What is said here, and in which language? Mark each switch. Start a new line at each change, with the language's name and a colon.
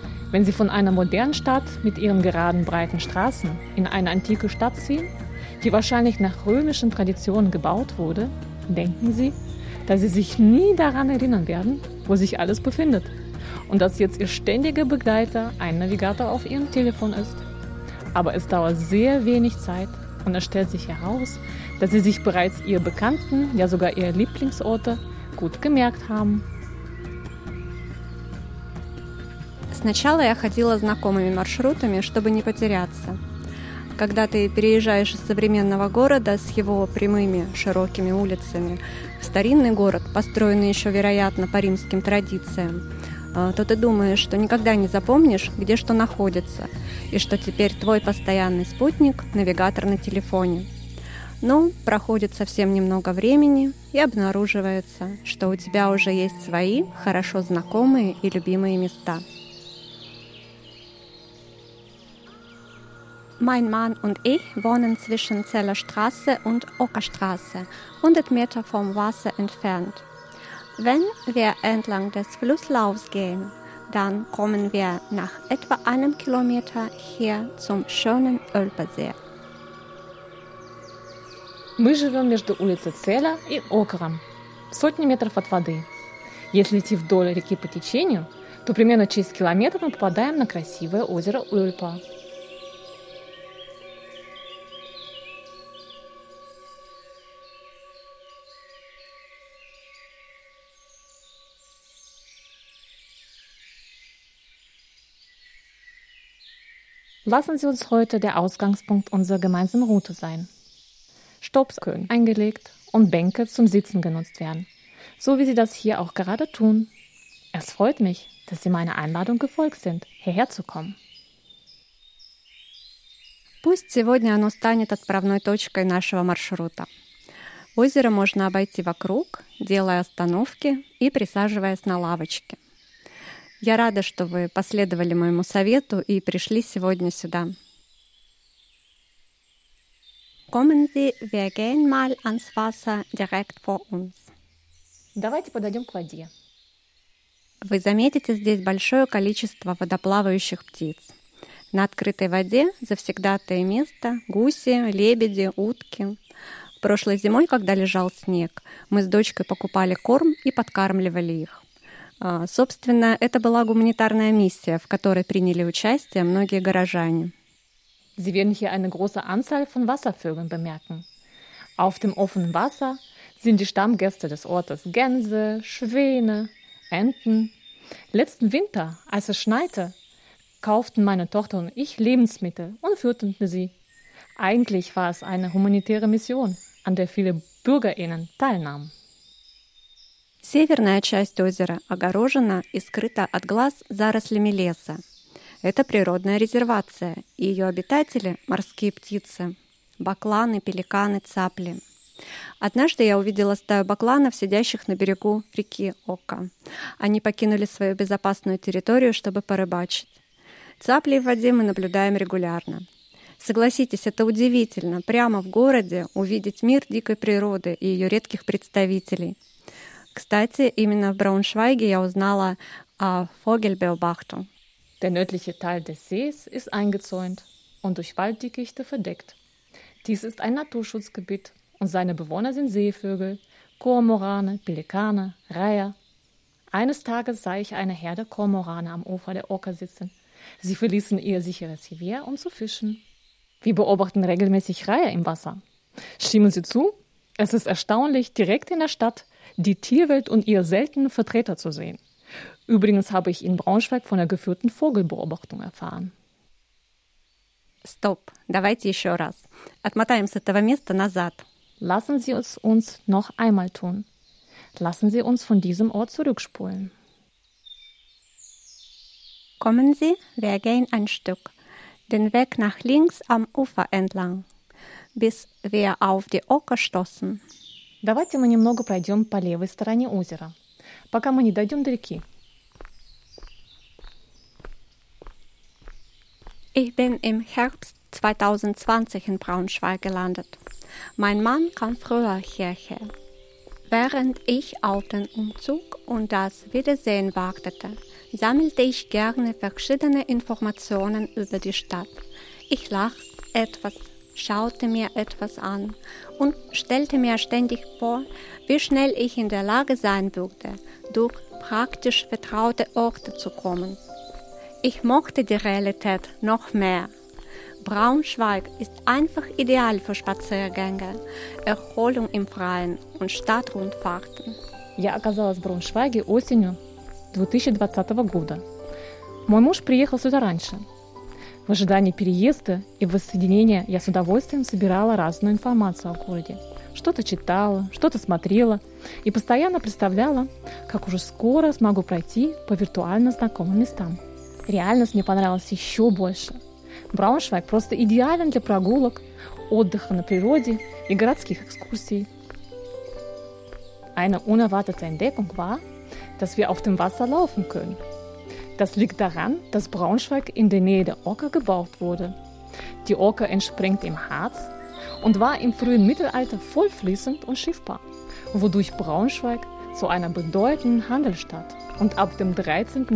German: Wenn Sie von einer modernen Stadt mit ihren geraden, breiten Straßen in eine antike Stadt ziehen, die wahrscheinlich nach römischen Traditionen gebaut wurde, denken Sie, dass Sie sich nie daran erinnern werden, wo sich alles befindet und dass jetzt Ihr ständiger Begleiter ein Navigator auf Ihrem Telefon ist. Aber es dauert sehr wenig Zeit und es stellt sich heraus, dass Sie sich bereits Ihre Bekannten, ja sogar Ihre Lieblingsorte, gut gemerkt haben.
Russian: Сначала я ходила знакомыми маршрутами, чтобы не потеряться. Когда ты переезжаешь из современного города с его прямыми широкими улицами в старинный город, построенный еще, вероятно, по римским традициям, то ты думаешь, что никогда не запомнишь, где что находится, и что теперь твой постоянный спутник – навигатор на телефоне. Но проходит совсем немного времени, и обнаруживается, что у тебя уже есть свои хорошо знакомые и любимые места.
German: Mein Mann und ich wohnen zwischen Zeller Straße und Ockerstraße, 100 Meter vom Wasser entfernt. Wenn wir entlang des Flusslaufs gehen, dann kommen wir nach etwa einem Kilometer hier zum schönen Ölbersee.
Russian: Мы живем между улицей Цела и Окером, сотни метров от воды. Если идти вдоль реки по течению, то примерно через километр мы попадаем на красивое озеро Ульпа.
German: Lassen Sie uns heute der Ausgangspunkt unserer gemeinsamen Route sein. Stops können eingelegt und Bänke zum Sitzen genutzt werden, so wie Sie das hier auch gerade tun. Es freut mich, dass Sie meiner Einladung gefolgt sind, hierher zu kommen.
Russian: Пусть сегодня оно станет отправной точкой нашего маршрута. Озеро можно обойти вокруг, делая остановки и присаживаясь на лавочке. Я рада, что вы последовали моему совету и пришли сегодня сюда.
German: Kommen Sie, wir gehen mal ans Wasser direkt vor uns.
Russian: Давайте подойдем к воде. Вы заметите здесь большое количество водоплавающих птиц. На открытой воде завсегдатые места – гуси, лебеди, утки. Прошлой зимой, когда лежал снег, мы с дочкой покупали корм и подкармливали их. Собственно, это была гуманитарная миссия, в которой приняли участие многие горожане.
German: Sie werden hier eine große Anzahl von Wasservögeln bemerken. Auf dem offenen Wasser sind die Stammgäste des Ortes Gänse, Schwäne, Enten. Letzten Winter, als es schneite, kauften meine Tochter und ich Lebensmittel und führten sie. Eigentlich war es eine humanitäre Mission, an der viele BürgerInnen teilnahmen.
Russian: Северная часть озера огорожена и скрыта от глаз зарослями леса. Это природная резервация, и ее обитатели – морские птицы, бакланы, пеликаны, цапли. Однажды я увидела стаю бакланов, сидящих на берегу реки Ока. Они покинули свою безопасную территорию, чтобы порыбачить. Цапли в воде мы наблюдаем регулярно. Согласитесь, это удивительно – прямо в городе увидеть мир дикой природы и ее редких представителей. Кстати, именно в Брауншвайге я узнала о Фогельбеобахту.
German: Der nördliche Teil des Sees ist eingezäunt und durch Walddickichte verdeckt. Dies ist ein Naturschutzgebiet und seine Bewohner sind Seevögel, Kormorane, Pelikane, Reiher. Eines Tages sah ich eine Herde Kormorane am Ufer der Oker sitzen. Sie verließen ihr sicheres Revier, um zu fischen. Wir beobachten regelmäßig Reiher im Wasser. Stimmen Sie zu? Es ist erstaunlich, direkt in der Stadt die Tierwelt und ihre seltenen Vertreter zu sehen. Übrigens habe ich in Braunschweig von der geführten Vogelbeobachtung erfahren.
Russian: Stopp, давайте еще раз. Отмотаем с этого места назад.
German: Lassen Sie es uns noch einmal tun. Lassen Sie uns von diesem Ort zurückspulen. Kommen Sie, wir gehen ein Stück. Den Weg nach links am Ufer entlang. Bis wir auf die Oker stoßen.
Russian: Давайте мы немного пройдем по левой стороне озера, пока мы не дойдем до реки.
German: Ich bin im Herbst 2020 in Braunschweig gelandet. Mein Mann kam früher hierher. Während ich auf den Umzug und das Wiedersehen wartete, sammelte ich gerne verschiedene Informationen über die Stadt. Ich las etwas, schaute mir etwas an und stellte mir ständig vor, wie schnell ich in der Lage sein würde, durch praktisch vertraute Orte zu kommen. Ich mochte die Realität noch mehr. Braunschweig ist einfach ideal für Spaziergänge, Erholung im Freien und Stadtrundfahrten.
Russian: Я оказалась в Брауншвайге осенью 2020 года. Мой муж приехал сюда раньше. В ожидании переезда и воссоединения я с удовольствием собирала разную информацию о городе. Что-то читала, что-то смотрела и постоянно представляла, как уже скоро смогу пройти по виртуально знакомым местам. Реальность мне понравилась еще больше. Брауншвайг просто идеален для прогулок, отдыха на природе и городских экскурсий.
German: Eine unerwartete Entdeckung war, dass wir auf dem Wasser laufen können. Das liegt daran, dass Braunschweig in der Nähe der Oker gebaut wurde. Die Oker entspringt im Harz und war im frühen Mittelalter voll fließend und schiffbar, wodurch Braunschweig zu einer bedeutenden Handelsstadt und ab dem 13.